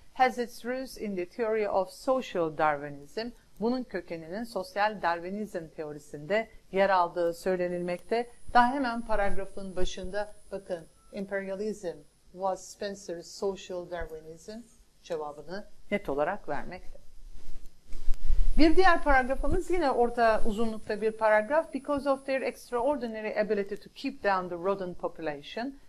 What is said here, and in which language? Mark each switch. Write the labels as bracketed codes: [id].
[en] Has its roots in the theory of social Darwinism. [tr] Bunun kökeninin sosyal Darwinizm teorisinde yer aldığı söylenilmekte. Daha hemen paragrafın başında bakın [en] imperialism was Spencer's social Darwinism [tr] cevabını net olarak vermekte. Bir diğer paragrafımız yine orta uzunlukta bir paragraf. [en] Because of their extraordinary ability to keep down the rodent population.